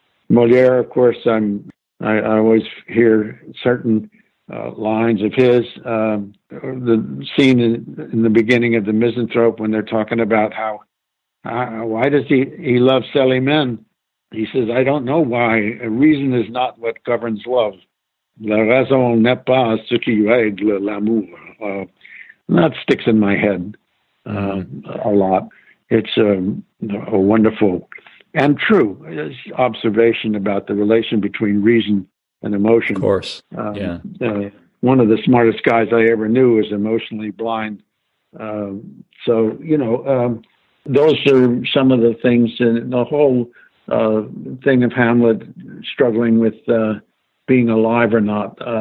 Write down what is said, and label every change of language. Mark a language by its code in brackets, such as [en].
[en] Molière, of course, I always hear certain lines of his. The scene in the beginning of The Misanthrope when they're talking about how why does he love Célimène? He says, "I don't know why. Reason is not what governs love. [fr] La raison n'est pas ce qui règle l'amour." [en] That sticks in my head a lot. It's a wonderful and true observation about the relation between reason and emotion. Of course, One of the smartest guys I ever knew is emotionally blind. So, you know, those are some of the things in the whole thing of Hamlet struggling with being alive or not.